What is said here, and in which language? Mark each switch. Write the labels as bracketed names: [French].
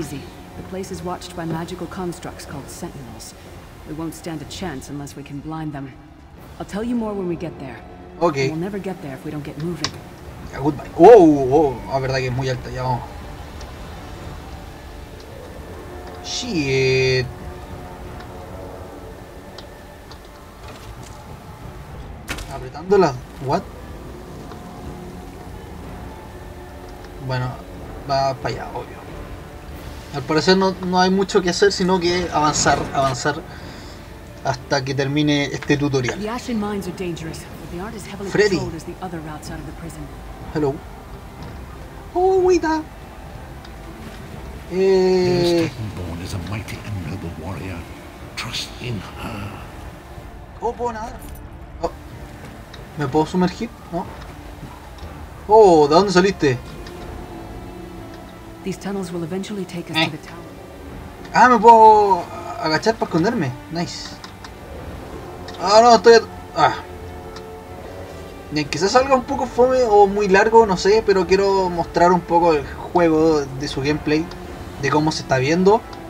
[English] The place is watched by magical constructs called sentinels. We won't stand a chance unless we can blind them. I'll tell you more when we get there. Okay. We'll never get there if we don't get moving. Yeah, goodbye. [Spanish] Oh, verdad que es muy alta, ya vamos. [English] Shit. [Spanish] Apretándola. What? Bueno, va para allá, obvio. Al parecer no hay mucho que hacer, sino que avanzar hasta que termine este tutorial. [English] The Ashen Mines are dangerous, but they aren't as heavily Freddy. Controlled as the other routes out of the prison. Hello. Oh, Wita. Stormborn is a mighty and noble warrior. Trust in her. [Spanish] Oh, puedo nadar. Oh. ¿Me puedo sumergir? No. Oh, ¿de dónde saliste? [English] These tunnels will eventually take us to the tower. [Spanish] Ah, me puedo agachar para esconderme. Nice. Ah, no, estoy. Quizás salga un poco fome o muy largo, no sé, pero quiero mostrar un poco el juego de su gameplay, de cómo se está viendo.